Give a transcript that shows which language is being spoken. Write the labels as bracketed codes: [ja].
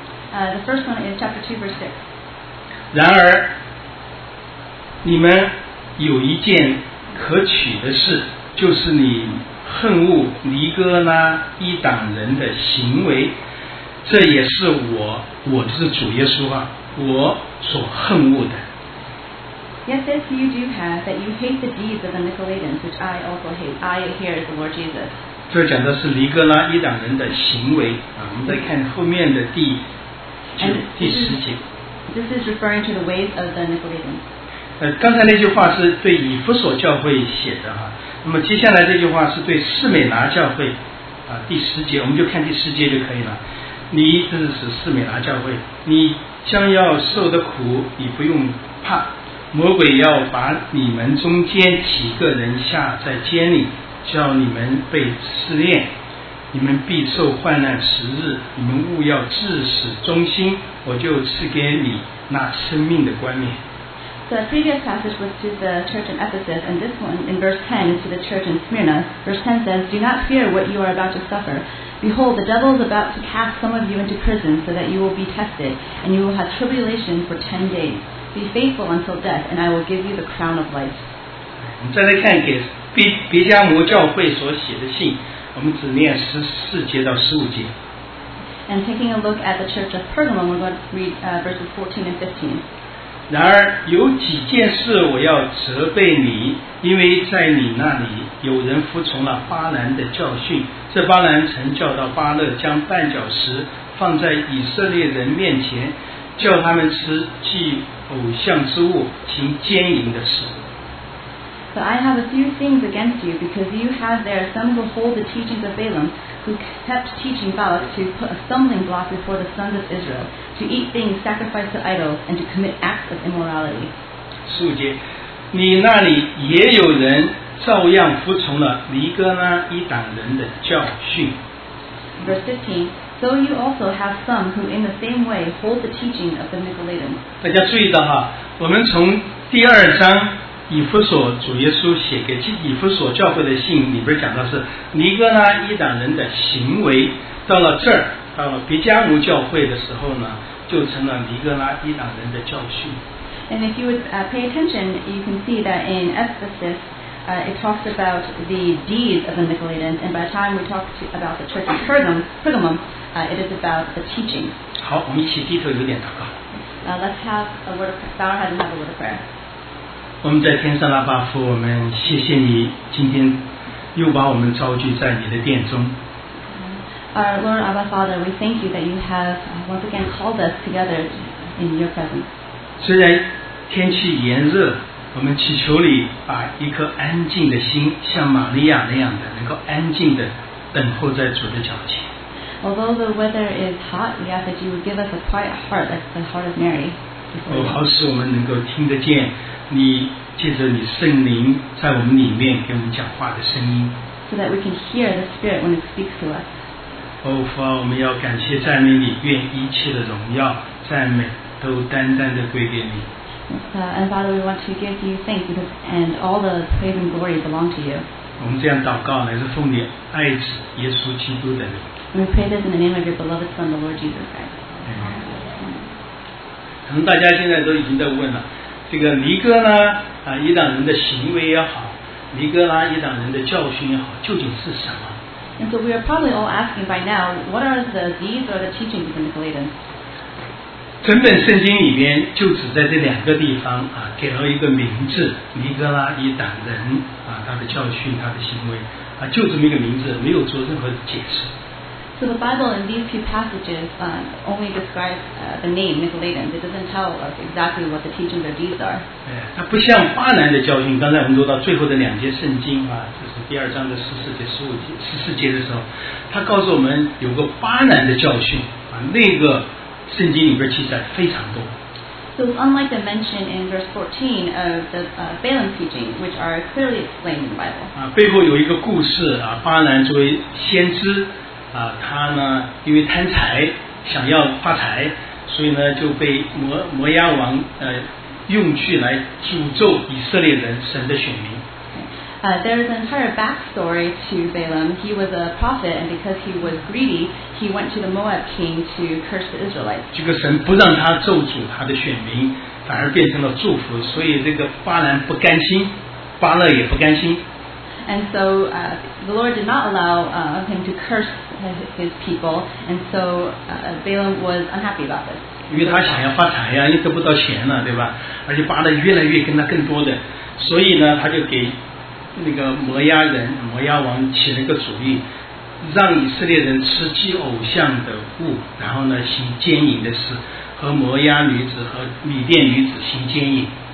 [en] The first one is chapter 2, verse 6. [zh] 然而，你们有一件可取的事，就是你恨恶尼哥拉一党人的行为，这也是我就是主耶稣啊，我所恨恶的。 [en] Yes, this you do have, that you hate the deeds of the Nicolaitans, which I also hate. I hear the Lord Jesus. [zh] 这讲的是尼哥拉一党人的行为啊，我们再看后面的第十节。 [en] This is referring to the ways of the Nicolaitans. [zh] 刚才那句话是对以弗所教会写的哈、啊。那么接下来这句话是对士美拿教会啊，第十节，我们就看第十节就可以了。你这是指士美拿教会，你将要受的苦，你不用怕。魔鬼要把你们中间几个人下在监里，叫你们被试炼，你们必受患难十日，你们务要至死忠心，我就赐给你那生命的冠冕。 [en] The previous passage was to the church in Ephesus, and this one in verse 10 is to the church in Smyrna. Verse 10 says, Do not fear what you are about to suffer. Behold, the devil is about to cast some of you into prison so that you will be tested, and you will have tribulation for 10 days. Be faithful until death, and I will give you the crown of life. [zh] 我们再来看给别加摩教会所写的信，我们只念14节到15节。 [en] And taking a look at the church of Pergamum, we're going to read verses 14 and 15. [zh] 然而有几件事我要责备你，因为在你那里有人服从了巴兰的教训，这巴兰曾教导巴勒将绊脚石放在以色列人面前，叫他们吃祭偶像之物，行奸淫的事。 [en] But I have a few things against you, because you have there some who hold the teachings of Balaam, who kept teaching Balak to put a stumbling block before the sons of Israel, to eat things sacrificed to idols, and to commit acts of immorality. [zh] 十五节，你那里也有人照样服从了尼哥拉一党人的教训。 [en] Verse 15, so you also have some who in the same way hold the teaching of the Nicolaitans. [zh] 大家注意到哈，我们从第二章以弗所主耶稣写给以弗所教会的信里边讲到是尼哥拉一党人的行为，到了这儿，到了别加摩教会的时候呢，就成了尼哥拉一党人的教训。 [en] And if you would pay attention, you can see that in Ephesus, it talks about the deeds of the Nicolaitans, and by the time we talk about the church of Pergamum, it is about the teaching. [zh] 好，我们一起低头有点祷告。 [en] Let's have a word of prayer. Bow our heads and have a word of prayer. [zh] 我们在天上的阿爸父，我们谢谢你今天又把我们召聚在你的殿中。 [en] Our Lord Abba Father, we thank you that you have once again called us together in your presence. [zh] 虽然天气炎热，我们祈求你把一颗安静的心，像玛利亚那样的，能够安静的等候在主的脚前。 [en] Although the weather is hot, we ask that you would give us a quiet heart, like the heart of Mary. [zh] 好使我们能够听得见。你借着你圣灵在我们里面给我们讲话的声音 [en] so that we can hear the Spirit when it speaks to us. [zh] Father, 我们要感谢赞美你，愿一切的荣耀赞美都单单的归给你。 [en] And Father, we want to give you thanks because and all the praise and glory belong to you. [zh] 我们这样祷告乃是奉你爱子耶稣基督的名。 [en] We pray this in the name of your beloved Son, the Lord Jesus Christ. [zh] 可能大家现在都已经在问了，这个尼哥拉一党人的行为也好，尼哥拉一党人的教训也好，究竟是什么？ [en] And so we are probably all asking by now, what are the deeds or the teachings of the Nicolaitans? [zh] 整本圣经里面就只在这两个地方啊，给了一个名字，尼哥拉一党人啊，他的教训，他的行为啊，就这么一个名字，没有做任何解释。 [en] So the Bible in these few passages only describes the name Nicolaitans. It doesn't tell us exactly what the teachings or deeds are. [zh] 它不像巴兰的教训。刚才我们读到最后的两节圣经啊，就是第二章的十四节、十五节、十四节的时候，它告诉我们有个巴兰的教训啊，那个圣经里边记载非常多。 [en] So unlike the mention in verse 14 of the Balaam teaching, which are clearly explained in the Bible. [zh] 背后有一个故事啊，巴兰作为先知。他呢因为贪财想要发财，所以呢就被摩押王用去来诅咒以色列人神的选民。 [en] There is an entire backstory to Balaam. He was a prophet, and because he was greedy, he went to the Moab king to curse the Israelites. [zh] 这个神不让他咒诅他的选民，反而变成了祝福，所以这个巴兰不甘心。巴勒也不甘心。 [en] And so the Lord did not allow him to curse his people, and so Balaam was unhappy about this. [zh] 因为他想要发财呀，又得不到钱了，对吧？而且巴勒越来越跟他更多的，所以呢，他就给那个摩押人、摩押王起了个主意，让以色列人吃祭偶像的物，然后呢，行奸淫的事，和摩押女子和米甸女子行奸淫。